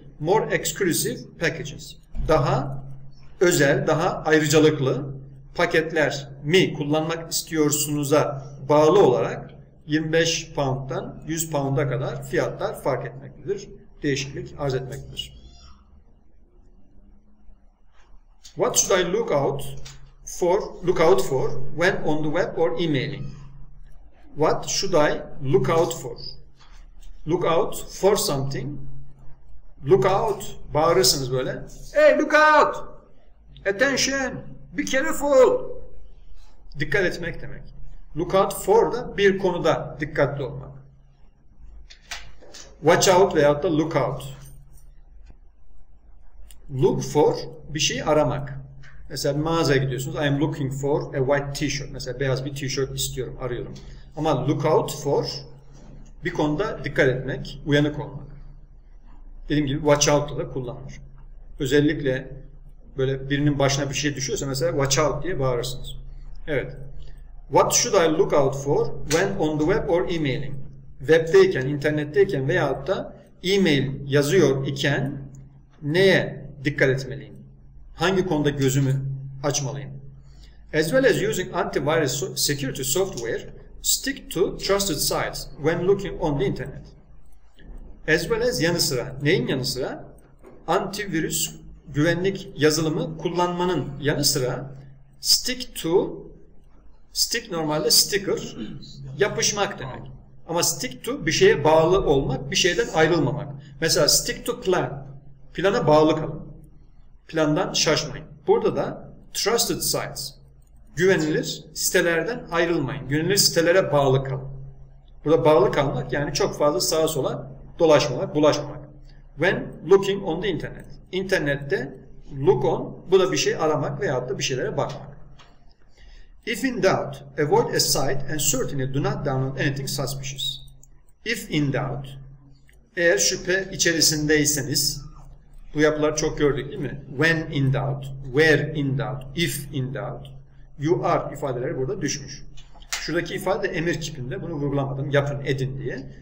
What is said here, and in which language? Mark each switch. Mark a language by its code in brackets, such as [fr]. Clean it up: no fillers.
[en] More exclusive packages. [tr] Daha özel, daha ayrıcalıklı paketler mi kullanmak istiyorsunuz'a bağlı olarak £25'dan £100'a kadar fiyatlar fark etmektedir, değişiklik arz etmektedir. [en] What should I look out for when on the web or emailing? What should I look out for? Look out for something. Look out, [tr] bağırırsınız böyle. [en] Hey, look out! Attention! Be careful! [tr] Dikkat etmek demek. Look out for da bir konuda dikkatli olmak. Watch out veyahut da look out. Look for, bir şeyi aramak. Mesela bir mağazaya gidiyorsunuz. [en] I am looking for a white t-shirt. [tr] Mesela beyaz bir t-shirt istiyorum, arıyorum. Ama look out for, bir konuda dikkat etmek, uyanık olmak. Dediğim gibi watch out'la da kullanılır. Özellikle böyle birinin başına bir şey düşüyorsa mesela watch out diye bağırırsınız. Evet. [en] What should I look out for when on the web or emailing? [tr] Web'deyken, internetteyken veyahut da e-mail yazıyor iken neye dikkat etmeliyim? Hangi konuda gözümü açmalıyım? [en] As well as using antivirus security software, stick to trusted sites when looking on the internet. [tr] As well as yanı sıra. Neyin yanı sıra? Antivirüs güvenlik yazılımı kullanmanın yanı sıra stick to, stick normalde sticker, yapışmak demek. Ama stick to bir şeye bağlı olmak, bir şeyden ayrılmamak. Mesela stick to plan, plana bağlı kalın. Plandan şaşmayın. Burada da trusted sites, güvenilir sitelerden ayrılmayın. Güvenilir sitelere bağlı kalın. Burada bağlı kalmak yani çok fazla sağa sola dolaşmamak, bulaşmamak. [en] When looking on the internet. [tr] İnternette look on, bu da bir şey aramak veyahut da bir şeylere bakmak. [en] If in doubt, avoid a site and certainly do not download anything suspicious. [tr] If in doubt, eğer şüphe içerisindeyseniz, bu yapıları çok gördük değil mi? [en] When in doubt, where in doubt, if in doubt, you are [tr] ifadeleri burada düşmüş. Şuradaki ifade de emir kipinde. Bunu vurgulamadım. Yapın, edin diye.